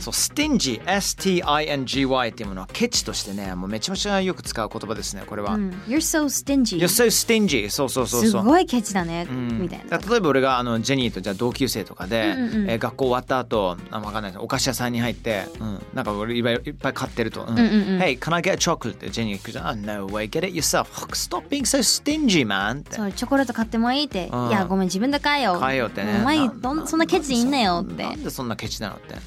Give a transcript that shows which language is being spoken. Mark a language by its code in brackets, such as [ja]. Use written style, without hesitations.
[ja] そう stingy S-T-I-N-G-Y っていうものはケチとしてねもうめちゃめちゃよく使う言葉ですねこれは、う [en] ん、You're so stingy You're so stingy [ja] そうそうそうそうすごいケチだね、うん、みたいな。例えば俺がジェニーとじゃあ同級生とかで、うんうん、学校終わった後わかんないお菓子屋さんに入って、うん、なんか俺いっぱい買ってると、うんうんうん、 [en] Hey can I get a chocolate [ja] ってジェニーが行くじゃん、 [en] oh, No way get it yourself Stop being soStingy man って。 [ja] そう、チョコレート買ってもいいって。うん、いやごめん自分で買えよ。買えよってね。お前そんなケチでいんなよって。なんでそんなケチなのって。